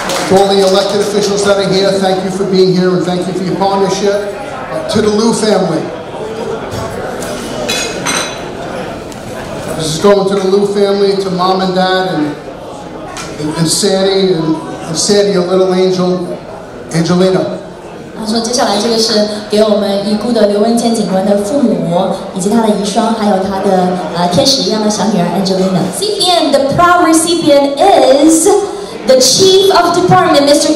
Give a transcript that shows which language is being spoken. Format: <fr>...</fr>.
<en>To all the elected officials that are here, thank you for being here and thank you for your partnership. To the Liu family. This is going to the Liu family, to Mom and Dad, and Sandy, and Sandy, your little angel, Angelina.</en> <zh>他说：“接下来这个是给我们已故的刘文谦警官的父母，以及他的遗孀，还有他的天使一样的小女儿 Angelina。</zh> <en>Recipient, the proud recipient is the chief of department, Mr.</en>